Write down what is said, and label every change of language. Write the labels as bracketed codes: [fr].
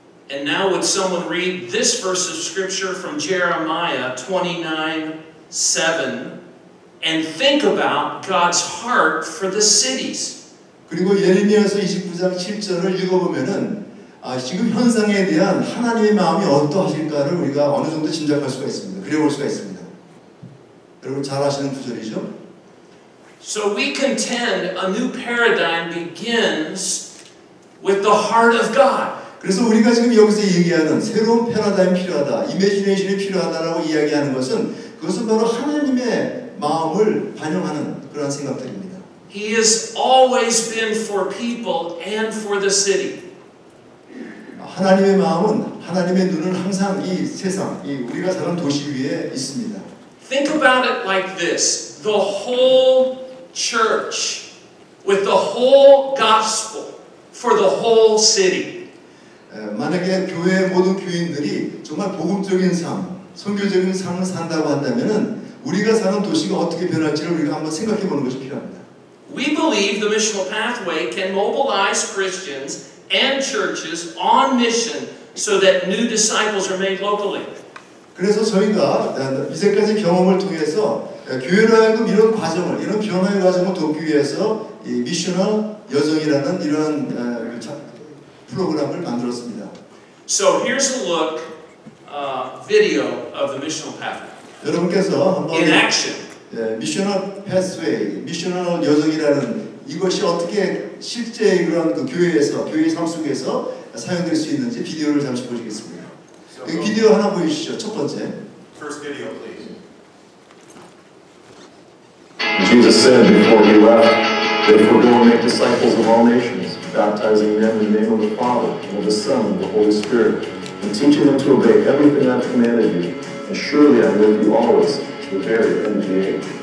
[en] And now would someone read this verse of scripture from Jeremiah 29:7 and think about God's heart for the cities. [ko] 그리고 예레미야서 29장 7절을 읽어보면은 지금 현상에 대한 하나님의 마음이 어떠하실까를 우리가 어느 정도 짐작할 수가 있습니다. 그려볼 수가 있습니다. 여러분 잘 아시는 구절이죠? [en] So we contend a new paradigm begins with the heart of God. [ko] 그래서 우리가 지금 여기서 얘기하는 새로운 패러다임이 필요하다, 이미지네이션이 필요하다라고 이야기하는 것은 그것은 바로 하나님의 마음을 반영하는 그런 생각들입니다. [en] He has always been for people and for the city. [ko] 하나님의 마음은 하나님의 눈은 항상 이 세상, 이 우리가 사는 도시 위에 있습니다. [en] Think about it like this. The whole church with the whole gospel for the whole city. [ko] 만약에 교회 모든 교인들이 정말 복음적인 삶, 선교적인 삶을 산다고 한다면은 우리가 사는 도시가 어떻게 변할지를 우리가 한번 생각해 보는 것이 필요합니다. [en] We believe the missional pathway can mobilize Christians and churches on mission so that new disciples are made locally. [ko] 그래서 저희가 이제까지 경험을 통해서 교회로 하여금 이런 과정을, 이런 변화의 과정을 돕기 위해서 이 미셔널 여정이라는 이러한 프로그램을 만들었습니다. [en] So here's a look video of the missional pathway. [ko] 여러분께서 한번 [en] in action. [ko] 미셔널 패스웨이, 미셔널 여정이라는 이것이 어떻게 실제 그런 그 교회에서 교회 삶 속에서 사용될 수 있는지 비디오를 잠시 보시겠습니다. 그 비디오 하나 보이시죠? 첫 번째. [en] First video, please. Jesus said before he left that if we're going to make disciples of all nations, baptizing them in the name of the Father and of the Son and the Holy Spirit, and teaching them to obey everything I've commanded you, and surely I'm with you always to the very end of the age.